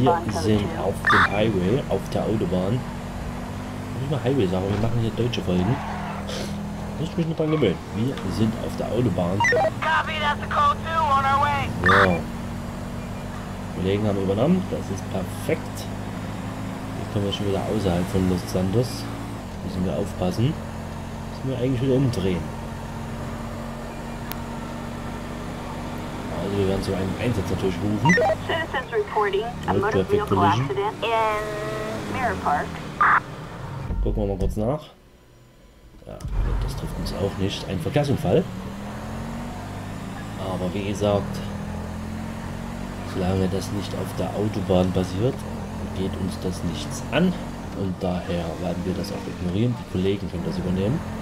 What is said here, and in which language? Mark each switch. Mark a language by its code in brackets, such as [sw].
[de] Wir sind auf dem Highway, auf der Autobahn. Nicht mal Highway, aber wir machen hier deutsche Folgen. Muss ich mich noch dran gewöhnen. Wir sind auf der Autobahn. [en] Copy, that's a call two on our way. [de] Ja. Kollegen haben übernommen, das ist perfekt. Jetzt kommen wir schon wieder außerhalb von Los Santos. Müssen wir aufpassen. Müssen wir eigentlich wieder umdrehen. Also wir werden zu einem Einsatz natürlich rufen. [en] Citizens reporting a motor vehicle accident in Mirror Park. [de] Gucken wir mal kurz nach. Ja, das trifft uns auch nicht. Ein Verkehrsunfall. Aber wie gesagt, solange das nicht auf der Autobahn basiert, geht uns das nichts an. Und daher werden wir das auch ignorieren. Die Kollegen können das übernehmen.